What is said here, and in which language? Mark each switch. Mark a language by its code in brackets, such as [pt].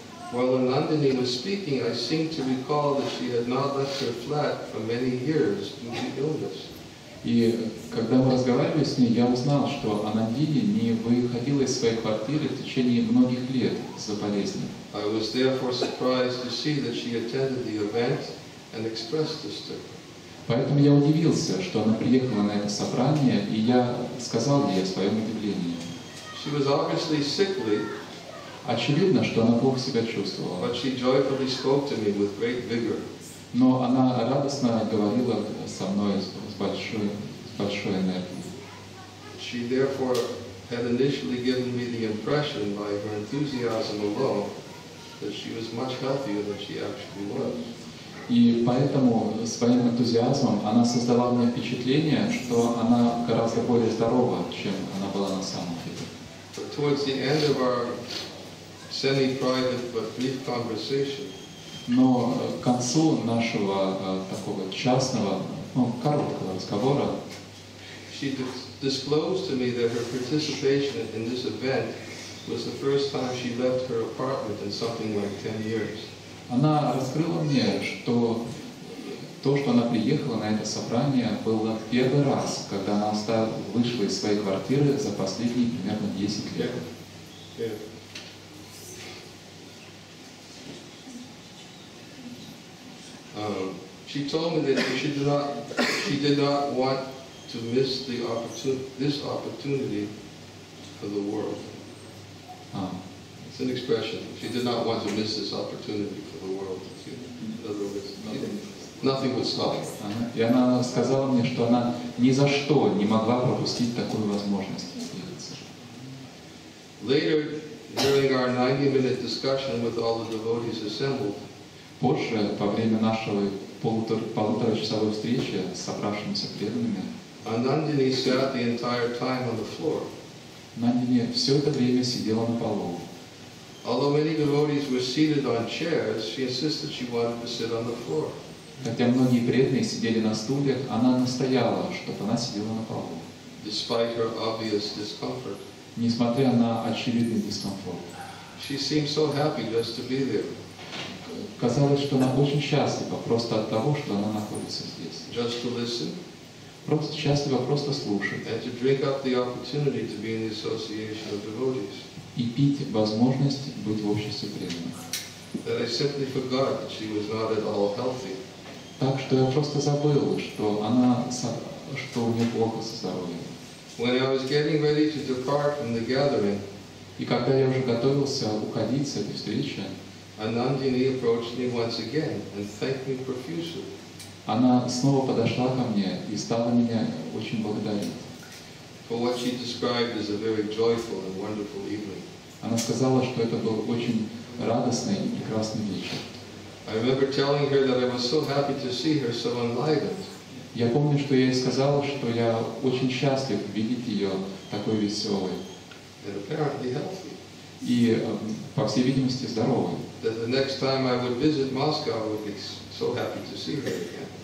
[en] While Anandini was speaking, I seemed to recall that she had not left her flat for many years due to illness. [ru] И когда мы разговаривали с ней, я узнал, что Анандини не выходила из своей квартиры в течение многих лет из-за болезни. [en] I was therefore surprised to see that she attended the event and expressed this to her. [ru] Поэтому я удивился, что она приехала на это собрание, и я сказал ей о своем удивлении. [en] She was obviously sickly. [ru] Очевидно, что она плохо себя чувствовала. [en] But she joyfully spoke to me with great vigor. [ru] Но она радостно говорила со мной с большой энергией. [en] She therefore had initially given me the impression by her enthusiasm alone that she was much healthier than she actually was. [ru] И поэтому своим энтузиазмом она создала мне впечатление, что она гораздо более здорова, чем она была на самом деле. [en] But towards the end of our semi-private but brief conversation. [ru] Но к концу нашего такого частного, ну, короткого разговора, [en] she disclosed to me that her participation in this event was the first time she left her apartment in something like 10 years. [ru] Она раскрыла мне, что то, что она приехала на это собрание, было первый раз, когда она вышла из своей квартиры за последние примерно 10 лет. [en] She told me that she did not want to miss this opportunity for the world. It's an expression. She did not want to miss this opportunity for the world. In other words, nothing would stop her. [ru] И она сказала мне, что она ни за что не могла пропустить такую возможность сделаться. [en] Later, during our 90-minute discussion with all the devotees assembled, [ru] позже, во время нашей полуторачасовой встречи с собравшимися преданными, [en] Анандини sat the entire time on the floor. [ru] Анандини все это время сидела на полу. [en] Although many devotees were seated on chairs, she insisted she wanted to sit on the floor. [ru] Хотя многие преданные сидели на стульях, она настояла, чтобы она сидела на полу. [en] Despite her obvious discomfort. [ru] Несмотря на очевидный дискомфорт. [en] She seemed so happy just to be there. [ru] Казалось, что она очень счастлива просто от того, что она находится здесь. [en] Just to listen. [ru] Просто счастлива просто слушать. [en] And to drink up the opportunity to be in the association of devotees. [ru] И пить возможность быть в обществе преданных. [en] That I simply forgot that she was not at all healthy. [ru] Так что я просто забыл, что она, что у нее плохо со здоровьем. [en] When I was getting ready to depart from the gathering, [ru] и когда я уже готовился уходить с этой встречи, [en] Anandini approached me once again and thanked me profusely. [ru] Она снова подошла ко мне и стала меня очень благодарить. [en] For what she described as a very joyful and wonderful evening. [ru] Она сказала, что это был очень радостный и прекрасный вечер. [en] I remember telling her that I was so happy to see her so enlivened. [ru] Я помню, что я ей сказал, что я очень счастлив видеть ее такой веселой. [en] And apparently healthy. [ru] И, по всей видимости, здоровой. [en] That the next time I would visit Moscow, I would be so happy to see her again.